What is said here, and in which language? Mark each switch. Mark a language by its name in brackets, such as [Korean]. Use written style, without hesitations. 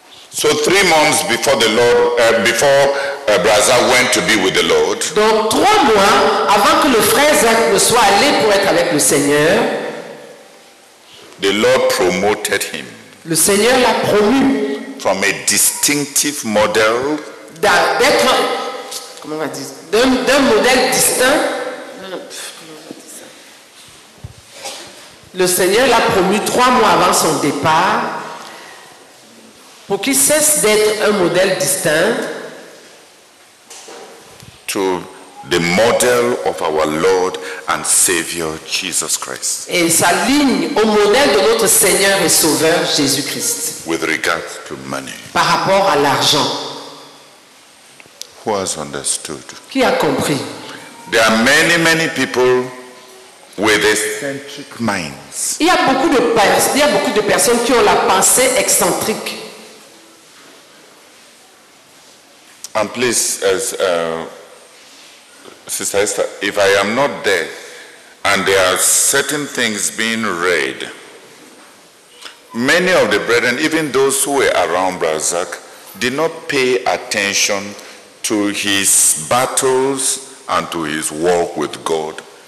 [English] So 3 months before the Lord, before Brazza went to be with the Lord. [French] Donc 3 mois avant que le frère Zach ne soit allé pour être avec le Seigneur. [English] The Lord promoted him. [French] Le Seigneur l'a promu. [English] from a distinctive model. [French] D'être, comment on va dire, d'un modèle distinct. Le Seigneur l'a promu 3 mois avant son départ pour qu'il cesse d'être un modèle distinct. [English] To the model of our Lord and Savior Jesus Christ. [French] Et s'aligne au modèle de notre Seigneur et Sauveur Jésus Christ. [English] With regard to money. [French] Par rapport à l'argent. [English] Who has understood? [French] Qui a compris? [English] There are many, many people with eccentric minds. [French] Il y a beaucoup de personnes qui ont la pensée excentrique. [English] And please, as Sister Esther, if I am not there and there are certain things being read, many of the brethren, even those who were around Brazak, did not pay attention to his battles and to his walk with God.